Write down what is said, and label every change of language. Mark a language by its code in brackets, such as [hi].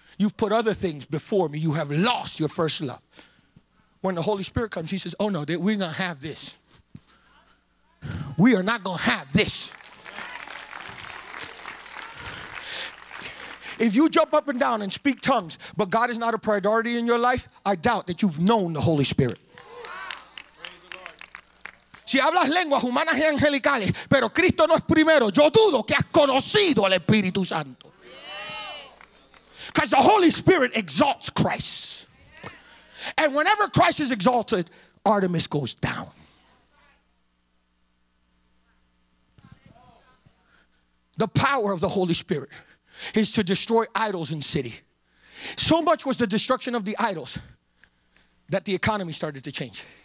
[en] You've put other things before me. You have lost your first love. When the Holy Spirit comes, he says, oh no, we're going to have this. We are not going to have this. If you jump up and down and speak tongues, but God is not a priority in your life, I doubt that you've known the Holy Spirit. [es] Si hablas lenguas humanas y angelicales, pero Cristo no es primero, yo dudo que has conocido el Espíritu Santo. [en] Because the Holy Spirit exalts Christ. And whenever Christ is exalted, Artemis goes down. The power of the Holy Spirit is to destroy idols in city. So much was the destruction of the idols that the economy started to change.